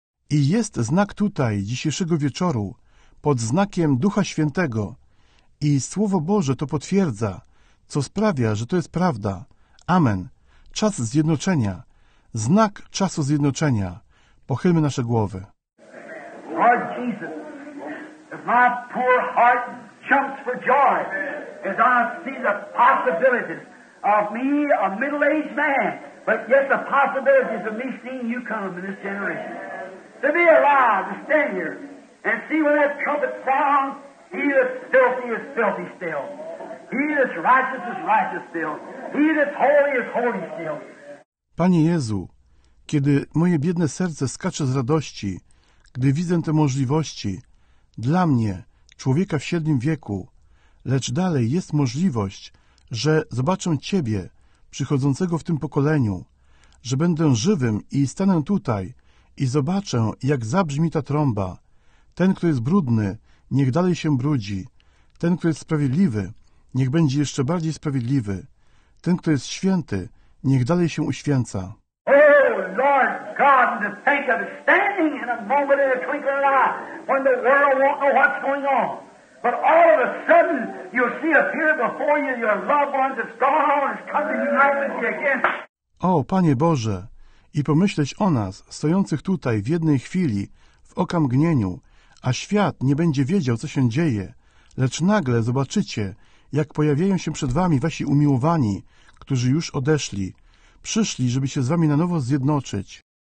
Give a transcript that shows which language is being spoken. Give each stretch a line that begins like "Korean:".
Polish: I jest znak tutaj, dzisiejszego wieczoru, pod znakiem Ducha Świętego. I Słowo Boże to potwierdza, co sprawia, że to jest prawda. Amen. Czas zjednoczenia. Znak czasu zjednoczenia. Pochylmy nasze głowy.
English: Lord Jesus, if my poor heart jumps for joy as I see the possibilities of me, a middle-aged man, but yet the possibilities of me seeing you come in this generation. To be alive, to stand here, and see when that trumpet sounds, he that's filthy is filthy still. He that's righteous is righteous still. He that's holy is holy still.
Polish: Panie Jezu, kiedy moje biedne serce skacze z radości, gdy widzę te możliwości, dla mnie, człowieka w średnim wieku, lecz dalej jest możliwość, że zobaczę Ciebie, przychodzącego w tym pokoleniu, że będę żywym i stanę tutaj i zobaczę, jak zabrzmi ta trąba. Ten, kto jest brudny, niech dalej się brudzi. Ten, kto jest sprawiedliwy, niech będzie jeszcze bardziej sprawiedliwy. Ten, kto jest święty, niech dalej się uświęca.
English: Lord God, to think of standing in a moment in a twinkling of an eye when the world won't know what's going on. But all of a sudden, you'll see appear before you your loved ones that's gone on and has come to unite with you again.
Polish: O, Panie Boże, i pomyśleć o nas, stojących tutaj w jednej chwili, w okamgnieniu, a świat nie będzie wiedział, co się dzieje, lecz nagle zobaczycie, jak pojawiają się przed wami wasi umiłowani, którzy już odeszli, przyszli, żeby się z wami na nowo zjednoczyć.